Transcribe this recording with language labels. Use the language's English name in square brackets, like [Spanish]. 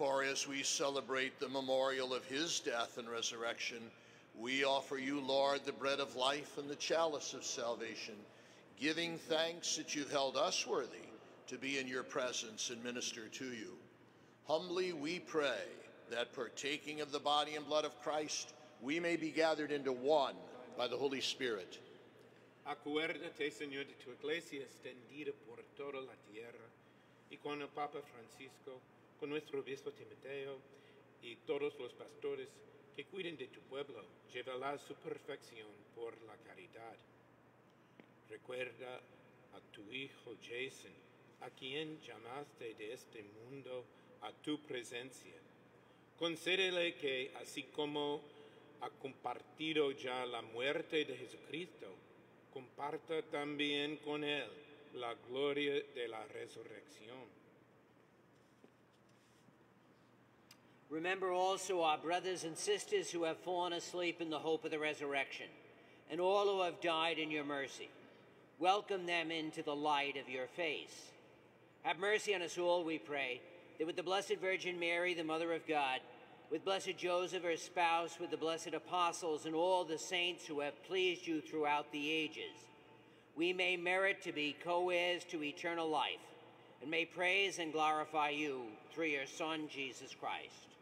[English] As we celebrate the memorial of his death and resurrection, we offer you, Lord, the bread of life and the chalice of salvation, giving thanks that you've held us worthy to be in your presence and minister to you. Humbly we pray that, partaking of the body and blood of Christ, we may be gathered into one by the Holy Spirit. [Spanish] Acuérdate, Señor, de tu iglesia extendida por toda la tierra, y con el Papa Francisco, con nuestro obispo Timoteo y todos los pastores que cuiden de tu pueblo, llévala su perfección por la caridad. Recuerda a tu hijo Jason, a quien llamaste de este mundo a tu presencia. Concédele que, así como ha compartido ya la muerte de Jesucristo, comparta también con él la gloria de la resurrección. [English] Remember also our brothers and sisters who have fallen asleep in the hope of the resurrection, and all who have died in your mercy. Welcome them into the light of your face. Have mercy on us all, we pray, that with the Blessed Virgin Mary, the Mother of God, with Blessed Joseph, her spouse, with the blessed apostles, and all the saints who have pleased you throughout the ages, we may merit to be co-heirs to eternal life, and may praise and glorify you through your Son, Jesus Christ.